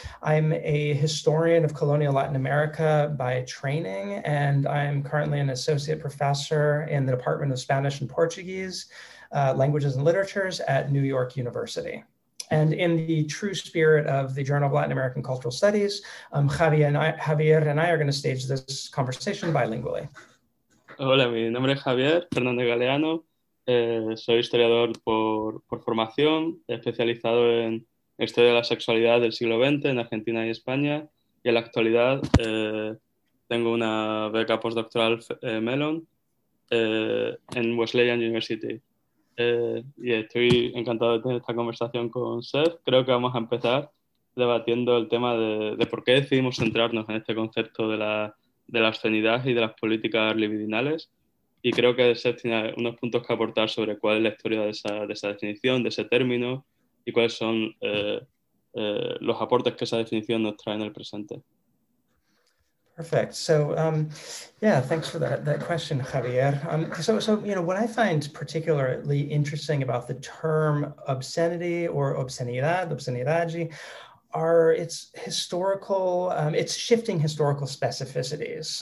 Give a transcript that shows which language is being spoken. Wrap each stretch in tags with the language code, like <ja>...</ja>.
<en>I'm a historian of colonial Latin America by training, and I'm currently an associate professor in the Department of Spanish and Portuguese Languages and Literatures at New York University. And in the true spirit of the Journal of Latin American Cultural Studies, Javier and I are going to stage this conversation bilingually.</en> <es>Hola, mi nombre es Javier Fernández Galeano. Soy historiador por formación, especializado en historia de la sexualidad del siglo XX en Argentina y España. Y en la actualidad tengo una beca postdoctoral Mellon en Wesleyan University. Y estoy encantado de tener esta conversación con Seth. Creo que vamos a empezar debatiendo el tema de por qué decidimos centrarnos en este concepto de la obscenidad y de las políticas libidinales. Y creo que Seth tiene unos puntos que aportar sobre cuál es la historia de esa definición, de ese término, y cuáles son los aportes que esa definición nos trae en el presente.</es> <en>Perfect. So, thanks for that question, Javier. What I find particularly interesting about the term obscenity or obscenidad, are its historical, its shifting historical specificities.</en>